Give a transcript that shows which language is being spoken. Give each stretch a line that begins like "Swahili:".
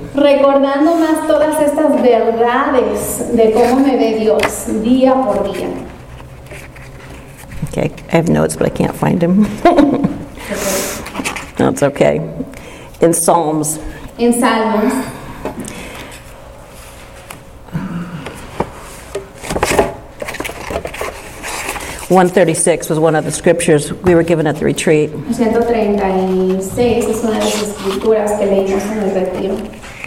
Spanish: Recordando más todas estas verdades de cómo me ve Dios día por día.
English: Okay, I have notes, but I can't find them. That's okay. In Psalms.
Spanish: In Salmos.
English: 136 was one of the scriptures we were given at the retreat.
Spanish: 136 es una de las escrituras que leímos en el retiro.